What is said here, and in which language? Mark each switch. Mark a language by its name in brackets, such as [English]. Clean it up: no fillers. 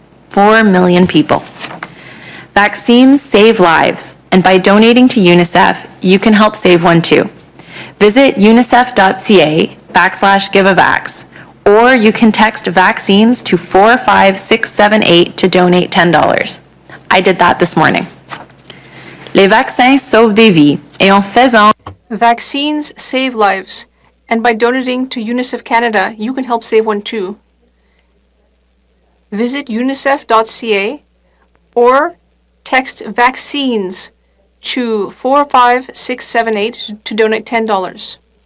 [English] 4 million people. Vaccines save lives, and by donating to UNICEF, you can help save one too. Visit unicef.ca/giveavax. Or you can text vaccines to 45678 to donate $10. I did that this morning. [French] Les vaccins sauvent des vies, et en faisant... [English] Vaccines save lives, and by donating to UNICEF Canada, you can help save one too. Visit unicef.ca or text vaccines to 45678 to donate $10.